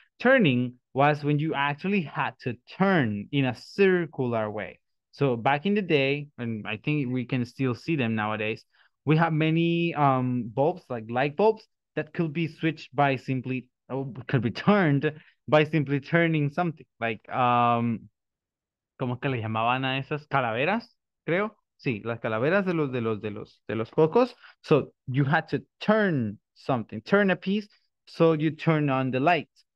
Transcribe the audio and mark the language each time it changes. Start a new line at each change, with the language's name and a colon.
English: Turning was when you actually had to turn in a circular way. So back in the day, and I think we can still see them nowadays, we have many bulbs, like light bulbs, that could be switched by simply, or could be turned by simply turning something.
Spanish: Like, ¿cómo que le llamaban a esas calaveras? Creo. Sí, las calaveras de los focos.
English: So you had to turn something, turn a piece, so you turn on the light.